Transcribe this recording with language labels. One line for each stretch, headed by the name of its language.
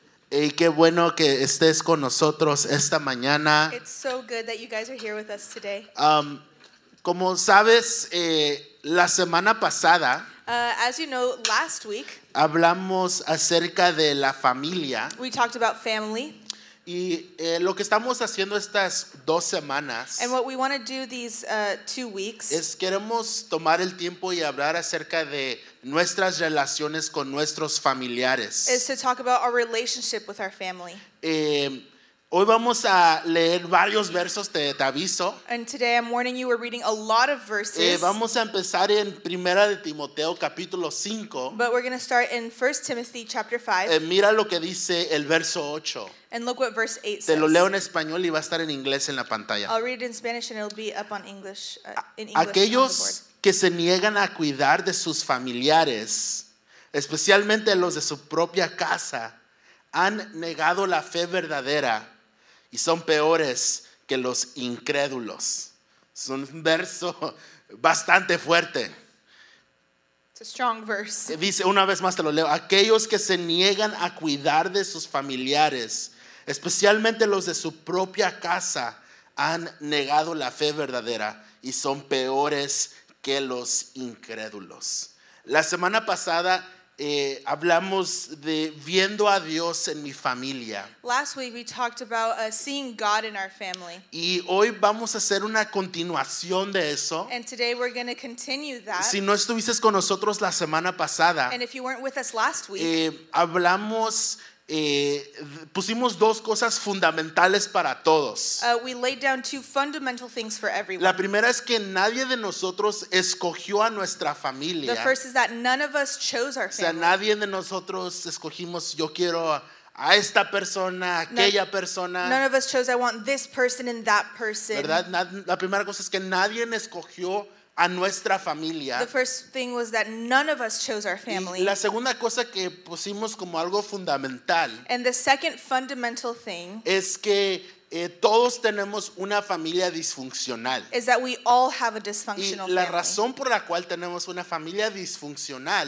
Spanish: Y qué bueno que estés con nosotros esta mañana.
English: It's so good that you guys are here with us today.
Spanish: Como sabes, la semana pasada,
English: as you know, last week,
Spanish: hablamos acerca de la familia.
English: We talked about family.
Spanish: Y lo que estamos haciendo estas dos semanas,
English: and what we want to do these 2 weeks,
Spanish: es queremos tomar el tiempo y hablar acerca de nuestras relaciones con nuestros familiares,
English: is to talk about our relationship with our family.
Spanish: Hoy vamos a leer varios versos, te aviso.
English: And today I'm warning you, we're reading a lot of verses.
Spanish: Vamos a empezar en Primera de Timoteo, capítulo 5.
English: But we're going to start in 1 Timothy, chapter 5.
Spanish: Mira lo que dice el verso 8.
English: And look what verse 8 says.
Spanish: Te lo leo en español y va a estar en inglés en la pantalla.
English: I'll read it in Spanish and it'll be up on English, in English.
Spanish: Aquellos que se niegan a cuidar de sus familiares, especialmente los de su propia casa, han negado la fe verdadera. Y son peores que los incrédulos. Es un verso bastante fuerte.
English: It's a strong verse.
Spanish: Dice, una vez más te lo leo. Aquellos que se niegan a cuidar de sus familiares, especialmente los de su propia casa, han negado la fe verdadera y son peores que los incrédulos. La semana pasada, hablamos de viendo a Dios en mi familia.
English: Last week we talked about seeing God in our family.
Spanish: Y hoy vamos a hacer una continuación de eso.
English: And today we're going to continue that.
Spanish: Si no estuviste con nosotros la semana pasada,
English: and if you weren't with us last week,
Spanish: hablamos, pusimos dos cosas fundamentales para todos.
English: We laid down two fundamental things for everyone.
Spanish: La primera es que nadie de nosotros escogió a nuestra familia.
English: The first is that none of us chose our family.
Spanish: O sea, nadie de nosotros escogimos, yo quiero a esta persona, aquella persona.
English: None of us chose, I want this person and that person.
Spanish: ¿Verdad? La primera cosa es que nadie escogió a nuestra familia.
English: The first thing was that none of us chose our family.
Spanish: La segunda cosa que pusimos como algo fundamental,
English: and the second fundamental thing,
Spanish: es que todos tenemos una familia disfuncional.
English: Is that we all have a dysfunctional family.
Spanish: Y la razón por la cual tenemos una familia disfuncional,